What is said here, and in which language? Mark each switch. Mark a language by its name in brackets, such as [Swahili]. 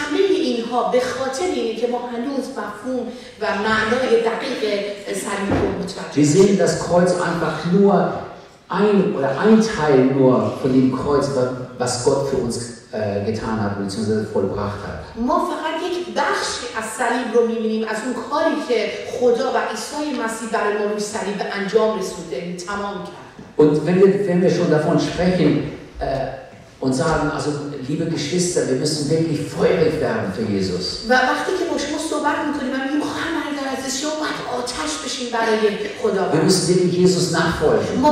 [Persian] اینها به خاطر اینه که ما هنوز مفهوم و معنای دقیق صلیب رو متوجه نشدیم. [German] Wir sehen das Kreuz einfach nur ein oder ein Teil nur von dem Kreuz, was Gott für uns getan hat bzw. vollbracht hat. [Persian] ما فقط یک بخشی از صلیب رو می‌بینیم، از اون کاری که خدا و عیسی مسیح برای ما روی صلیب انجام رسونده، تمام کرد. [German] Und wenn wir schon davon sprechen, und sagen, also liebe Geschwister, wir müssen wirklich feurig werden für Jesus. Wir müssen wirklich Jesus nachfolgen.